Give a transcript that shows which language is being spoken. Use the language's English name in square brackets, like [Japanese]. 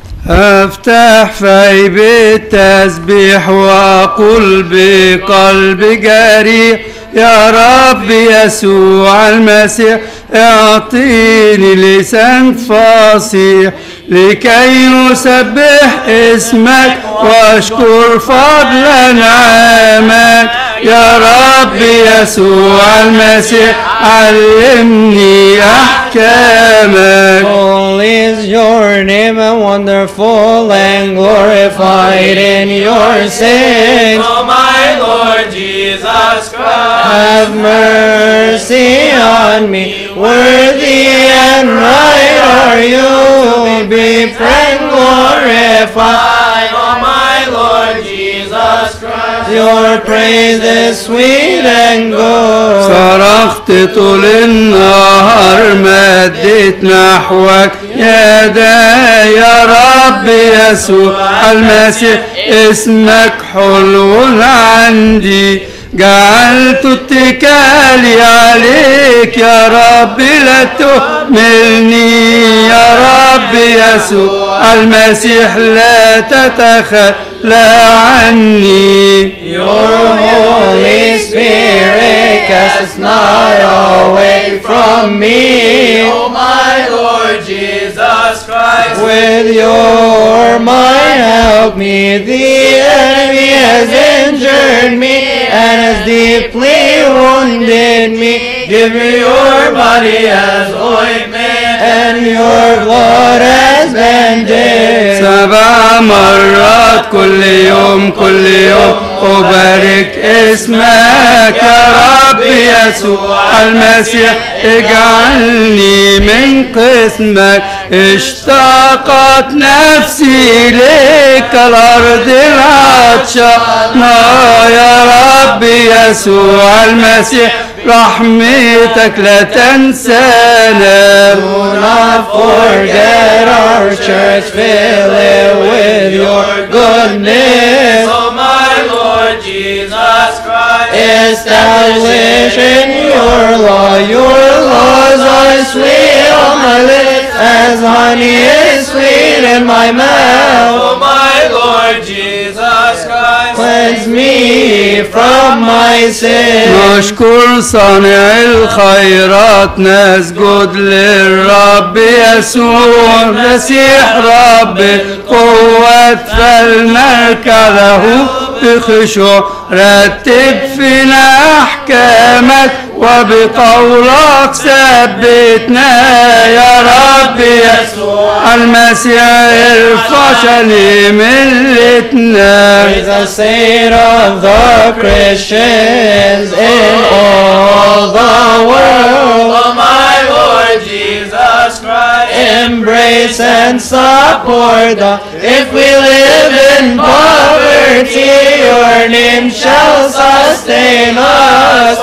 [Arabic] أفتح في بالتسبيح وأقول بقلب جريء يا رب يسوع المسيح اعطيني لسان فصيح لكي نسبح اسمك وأشكر فضلا عامك يا رب يسوع المسيح علمني أحكامك. [English] Holy is your name and wonderful and glorified in your saints. Oh my Lord Jesus Christ, have mercy on me. Worthy and right are you to be praised and glorified. Oh my Lord Jesus Christ, your praise is sweet and good. [Arabic] صرخت طول النهار مديت نحوك يدي يا رب يسوع المسيح اسمك حلو عندي جعلت اتكالي عليك يا رب لا تهملني يا رب بيسوع المسيح لا تتخلى عني. [English] Your Holy Spirit casts not away from me. Oh my Lord Jesus Christ, with your might help me. The enemy has injured me and has deeply wounded me. Give me your body as ointment and your blood as bandage. [Arabic] سبع مرات كل يوم كل يوم أبارك اسمك يا رب يسوع المسيح. اجعلني من قسمك, اشتاقت نفسي إليك الأرض العطشة. يا رب يسوع المسيح رحمتك لا تنسانا. [English] Do not forget our church, fill it with your goodness. Oh my Lord Jesus Christ, establish in your law. Your laws are sweet on my lips, as honey is sweet in my mouth. Oh my Lord Jesus Christ, cleanse me from my sin. [Arabic] نشكر صانع الخيرات, نسجد للرب يسوع المسيح رب القوة. فلنركبه بخشوع, رتب فينا احكامك وبقولك ثبتنا. يا رب يسوع المسيح ارفع شاني ملتنا. [English] With the state of the Christians in all the world, oh my Lord Jesus Christ, embrace and support the, if we live in poverty, your name shall sustain us.